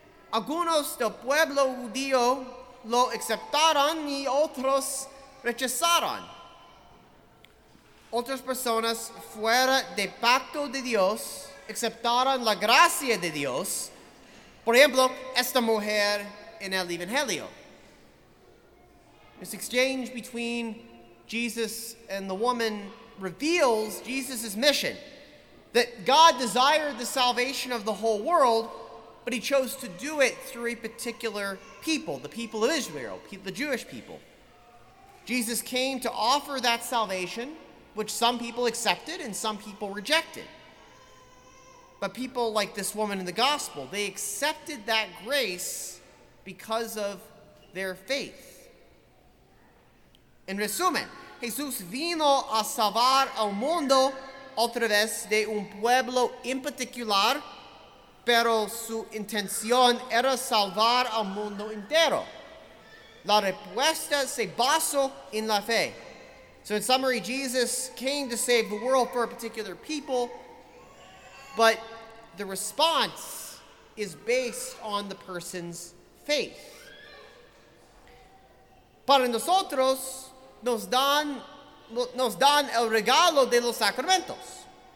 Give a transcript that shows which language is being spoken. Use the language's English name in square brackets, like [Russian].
[Spanish] Algunos del pueblo judío lo aceptaron y otros rechazaron. Otras personas fuera de pacto de Dios aceptaron la gracia de Dios. Por ejemplo, esta mujer en el Evangelio. [English] This exchange between Jesus and the woman reveals Jesus' mission, that God desired the salvation of the whole world, but he chose to do it through a particular people, the people of Israel, the Jewish people. Jesus came to offer that salvation, which some people accepted and some people rejected. But people like this woman in the gospel, they accepted that grace because of their faith. [Spanish] En resumen, Jesús vino a salvar al mundo a través de un pueblo en particular, pero su intención era salvar al mundo entero. La respuesta se basó en la fe. [English] So in summary, Jesus came to save the world for a particular people, but the response is based on the person's faith. [Spanish] Para nosotros, Nos dan el regalo de los sacramentos.